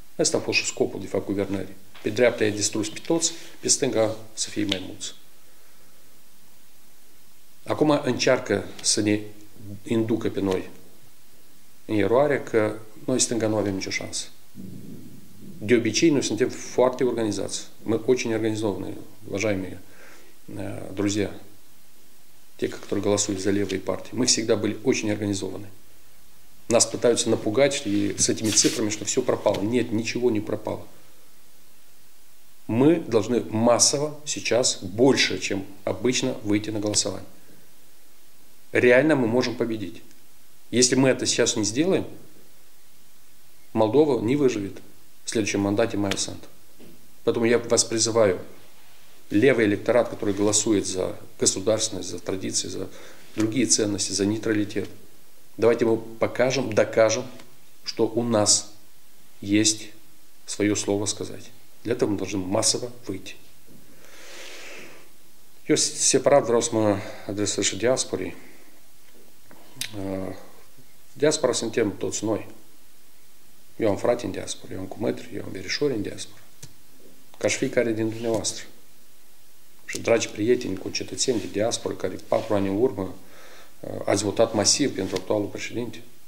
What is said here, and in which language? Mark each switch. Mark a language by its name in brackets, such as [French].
[Romanian] Asta a fost și scopul, de fapt, guvernării. Pe dreapta e distrus pe toți, pe stânga să fie mai mulți. Acum încearcă să ne inducă pe noi în eroare că noi stânga nu avem nicio șansă. De obicei, noi suntem foarte organizați. [Russian] Мы очень организованы, уважаемые друзья, те, которые голосуют за левые партии. Мы всегда были очень организованы. Нас пытаются напугать и с этими цифрами, что все пропало. Нет, ничего не пропало. Мы должны массово сейчас, больше, чем обычно, выйти на голосование. Реально мы можем победить. Если мы это сейчас не сделаем, Молдова не выживет в следующем мандате Майя Санту. Поэтому я вас призываю, левый электорат, который голосует за государственность, за традиции, за другие ценности, за нейтралитет, давайте мы покажем, докажем, что у нас есть свое слово сказать. Для этого мы должны массово выйти. [Romanian] Eu separat vreau să mă adresez și diasporii. Diaspora suntem toți noi. Eu am frate în diaspora, eu am cumetri, eu am verișori în diaspora. Ca și fiecare din dumneavoastră. Și dragi prieteni cu cetățeni de diasporă care 4 ani în urmă ați votat masiv pentru actualul președinte.